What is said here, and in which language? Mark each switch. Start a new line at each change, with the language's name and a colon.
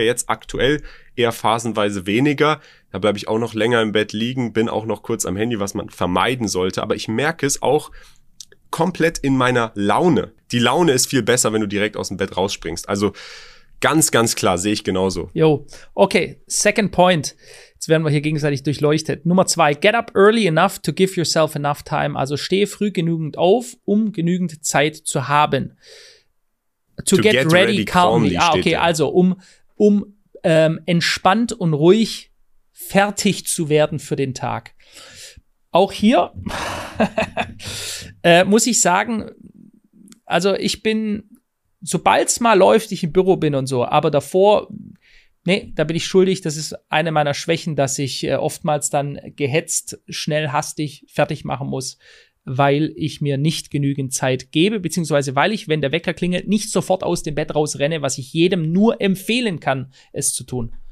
German: Jetzt aktuell eher phasenweise weniger. Da bleibe ich auch noch länger im Bett liegen, bin auch noch kurz am Handy, was man vermeiden sollte. Aber ich merke es auch komplett in meiner Laune. Die Laune ist viel besser, wenn du direkt aus dem Bett rausspringst. Also ganz, ganz klar, sehe ich genauso.
English: Jo, okay, second point.
German: Jetzt werden wir hier gegenseitig durchleuchtet. Nummer 2,
English: get up early enough to give yourself enough time.
German: Also stehe früh genügend auf, um genügend Zeit zu haben.
English: To get ready calmly.
German: Ah, okay, also um entspannt und ruhig fertig zu werden für den Tag. Auch hier muss ich sagen, also ich bin, sobald es mal läuft, ich im Büro bin und so, aber davor, nee, da bin ich schuldig, das ist eine meiner Schwächen, dass ich oftmals dann gehetzt, schnell, hastig fertig machen muss, weil ich mir nicht genügend Zeit gebe, beziehungsweise weil ich, wenn der Wecker klingelt, nicht sofort aus dem Bett rausrenne, was ich jedem nur empfehlen kann, es zu tun.